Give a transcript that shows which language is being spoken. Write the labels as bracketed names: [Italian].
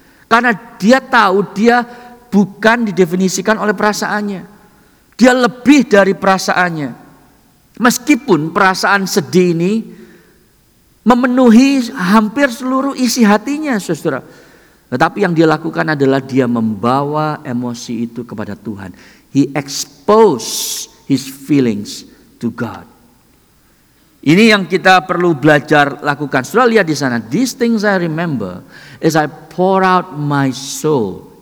[Indonesian] Karena dia tahu dia bukan didefinisikan oleh perasaannya. Dia lebih dari perasaannya. Meskipun perasaan sedih ini memenuhi hampir seluruh isi hatinya, saudara. Tetapi yang dia lakukan adalah dia membawa emosi itu kepada Tuhan. [English] He expose his feelings to God. [Indonesian] Ini yang kita perlu belajar lakukan. Sudah lihat di sana. [English] These things I remember as I pour out my soul.